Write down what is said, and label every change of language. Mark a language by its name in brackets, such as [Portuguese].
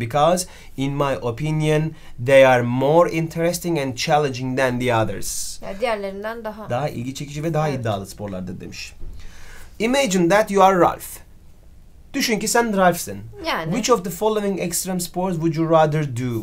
[English] Because in my opinion they are more interesting and challenging than the others. [Turkish] Ya diğerlerinden daha. Daha ilgi çekici ve daha iddialı sporlardır demiş. [English] Imagine that you are Ralph. [Turkish] Düşün ki sen Ralph'sin. Yani. [English] Which of the following extreme sports would you rather do?